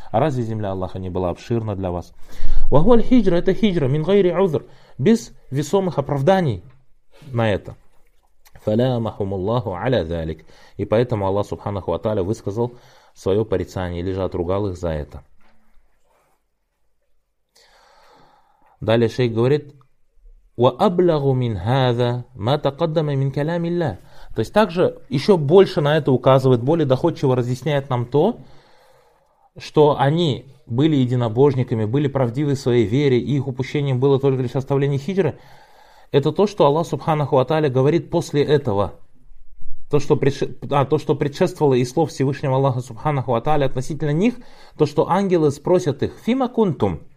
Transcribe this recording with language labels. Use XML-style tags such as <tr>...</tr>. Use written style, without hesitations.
<ru>А разве земля Аллаха не была обширна для вас?</ru> <ar>Вахуаль хиджра,</ar> <ru>это хиджра,</ru> <ar>мин гайри узр.</ar> <ru>Без весомых оправданий на это.</ru> <ar>Фалямахумуллаху аля залик.</ar> <ru>И поэтому Аллах субханаху аталя высказал свое порицание, или же отругал их за это. Далее шейх говорит:</ru> <ar>وَأَبْلَغُ مِنْ هَذَا مَا تَقَدَّمَ مِنْ كَلَامِ اللَّهِ.</ar> <ru>То есть также еще больше на это указывает, более доходчиво разъясняет нам то, что они были единобожниками, были правдивы в своей вере, и их упущением было только лишь оставление хиджры. Это то, что Аллах субханаху ва тааля говорит после этого. То, что предшествовало из слов Всевышнего Аллаха субханаху ва тааля относительно них, то, что ангелы спросят их:</ru> <ar>«Фима кунтум?»</ar>